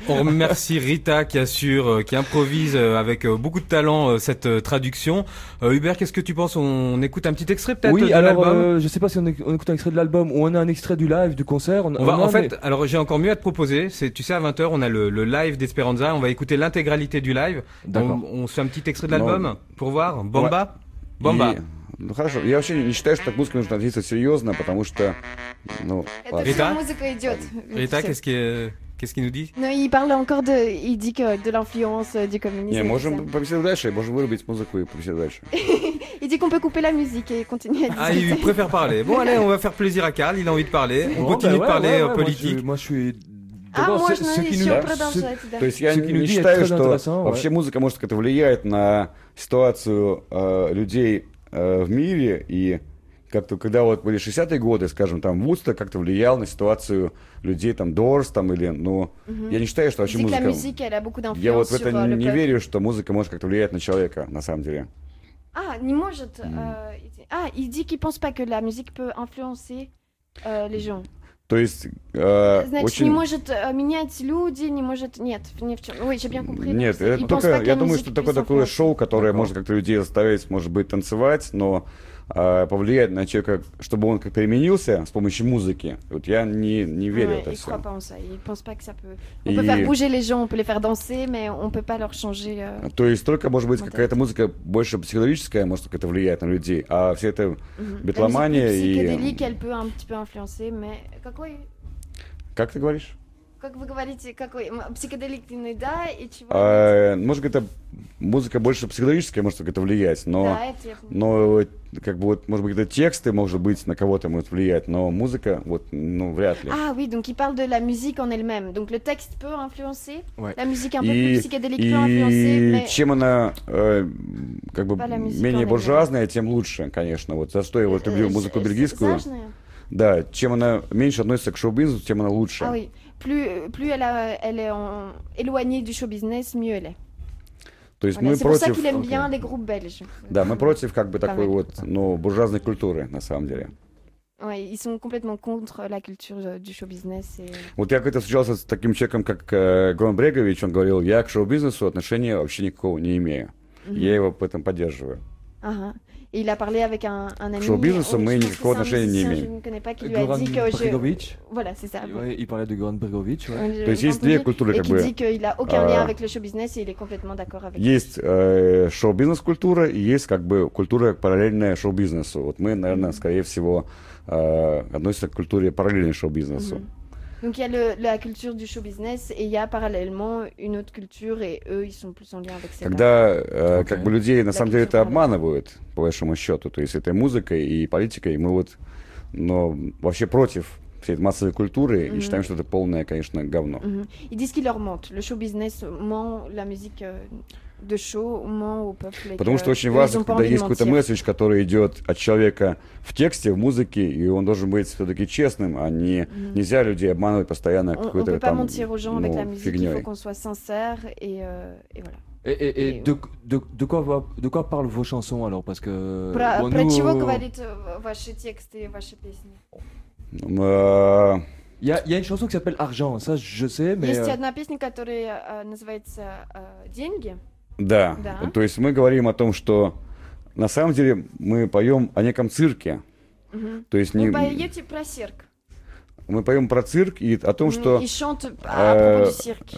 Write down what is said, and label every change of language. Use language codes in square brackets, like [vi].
[fr] On remercie Rita qui improvise avec beaucoup de talent cette traduction. Hubert, qu'est-ce que tu penses? On écoute un petit extrait peut-être oui, de l'album? Oui, alors je ne sais pas si on écoute un extrait de l'album ou on a un extrait du live, du concert. Alors j'ai encore mieux à te proposer. Tu sais, à 20h, on a le live d'Esperanza. On va écouter l'intégralité du live. D'accord. On se fait un petit extrait de l'album pour voir. Bomba ouais. Bomba. Yeah. [ru] Ну хорошо, я вообще не считаю, что так музыка нужно относиться серьезно, потому что, ну, это все музыка идет. [fr] Рита, qu'est-ce qu'il nous dit? Non, il parle encore de, il dit que de l'influence du communisme. [ru] Не, можем побеседовать дальше, можем вырубить музыку и побеседовать дальше. [fr] Il dit qu'on peut couper la musique et continuer à discuter. Ah, il préfère parler. Bon, allez, on va faire plaisir à Karl. Il a envie de parler. On continue de parler politique. [ru] То есть я не считаю, что вообще музыка может как-то влиять на ситуацию людей. В мире и когда вот были 60-е годы, скажем, там Вудсток как-то влиял на ситуацию людей, там Doors, там или, ну, угу. Я не считаю, что вообще музыка... Музыка, музыка, она буквально влияет. Я вот в это не верю, что музыка может как-то влиять на человека, на самом деле. А, не может. [fr] А, il dit qu'il pense pas que la musique peut influencer les gens. [ru] То есть, значит, очень... не может менять люди, не может... Нет, не в чем. Ой, я [fr] бien compris. [ru] Нет, это и только... Я думаю, что такое такое шоу, которое такого. Может как-то людей заставить, может быть, танцевать, но повлиять на человека, чтобы он как-то применился с помощью музыки. Вот я не верю [fr] ouais, crois pas en ça. Il pense pas que ça peut... On peut faire bouger les gens, on peut les faire danser, mais on peut pas leur changer... [ru] То есть, только, может быть, какая-то это. Музыка больше психологическая может как-то влиять на людей, а все это mm-hmm. битломания и... Психоделик, [fr] elle peut un petit peu influencer, mais... [ru] Какой? Как ты говоришь? Как вы говорите, какой психоделичный, да, и чего? Может, это музыка больше психологическая, может, как-то влиять, но, да, это но как бы вот, может быть, это тексты, может быть, на кого-то может влиять, но музыка вот, ну, вряд ли. [fr] А, oui, donc il parle de la musique en elle-même, donc le texte peut influencer, ouais. La musique un peu plus psychédélique peut influencer, [ru] mais чем она как бы менее буржуазная, тем лучше, конечно, вот за что я вот люблю музыку бельгийскую. Да, чем она меньше относится к шоу-бизнесу, тем она лучше. [fr] А, oui. Plus elle est éloignée du show business, mieux elle est. [ru] То есть [fr] voilà, [ru] мы [fr] c'est [ru] против... [fr] pour ça qu'il aime bien okay. les groupes belges. [ru] Да, мы против как бы такой вот, ну, буржуазной культуры, на самом деле. [fr] Ouais, ils sont complètement contre la culture du show business. Et... [ru] Вот я как-то встречался с таким человеком, как Гром Брегович, он говорил, я к шоу-бизнесу отношения вообще никакого не имею. Mm-hmm. Я его потом поддерживаю. Ага. И [fr] il a parlé avec un ami. [ru] К шоу-бизнесу мы никакого отношения не имеем. Гром Брегович. [fr] Voilà, c'est ça. Ouais, il parlait de Гром Брегович. [ru] То есть есть две культуры, как бы. [fr] Et il dit qu'il a aucun lien avec le show business et il est complètement d'accord avec. [ru] Есть шоу-бизнес культура и есть как бы культура параллельная шоу-бизнесу. Вот мы, наверное, скорее всего, относимся к культуре параллельной шоу-бизнесу. [fr] Donc il y a la culture du show business et il y a parallèlement une autre culture et eux ils sont plus en lien avec ça. [ru] Когда как бы людей на самом деле это обманывают по большому счету, то есть этой музыкой и политикой, мы вот но вообще против всей этой массовой культуры mm-hmm. и считаем, что это полное, конечно, говно. Mm-hmm. [fr] Ils disent qu'ils leur mentent. Le show business ment la musique de show ment au peuple. [ru] Потому что очень важно, когда есть какой-то месседж, который идет от человека в тексте, в музыке, и он должен быть все-таки честным, а не mm-hmm. нельзя людей обманывать постоянно какой-то [fr] on peut [ru] там [fr] pas mentir aux gens, avec la musique, [ru] фигней. [fr] Il faut qu'on soit sincère et voilà. Et de quoi parlent vos chansons alors? Parce que [ru] про чего говорит ваши тексты, ваши песни? [fr] Il y a une chanson qui s'appelle Argent, ça je sais, mais. [ru] Есть одна песня, которая называется Деньги. Да. То есть мы говорим о том, что на самом деле мы поем о неком цирке. Угу. То есть не. Вы поете про цирк. Мы поем про цирк и о том, что. И шант о цирке.